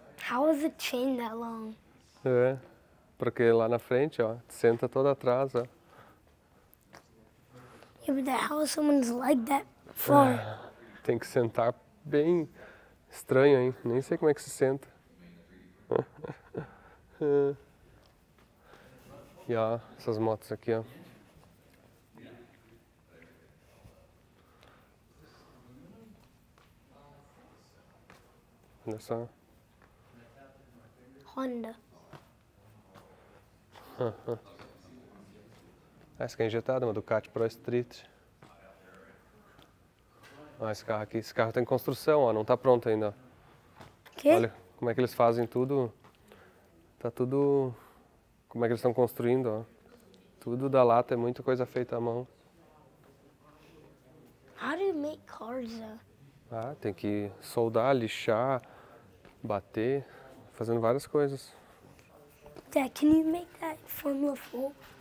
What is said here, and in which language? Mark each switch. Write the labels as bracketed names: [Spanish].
[English] How is the chain that long? [Portuguese] É. Porque lá na frente, ó. Senta toda atrás, ó. [English] Yeah, but how is someone's leg that far? [Portuguese] É. Tem que sentar bem estranho, hein? Nem sei como é que se senta. E ó, essas motos aqui, ó. Olha só. Honda. Essa aqui é injetada, uma Ducati Pro Street. Olha esse carro aqui. Esse carro tá em construção, ó. Não tá pronto ainda. Quê? Olha como é que eles fazem tudo. Tá tudo... Como é que eles estão construindo, ó. Tudo da lata, é muita coisa feita à mão. [English] How do you make cars? [Portuguese] Tem que soldar, lixar, bater, fazendo várias coisas. [English] Dad, can you make that Formula 4?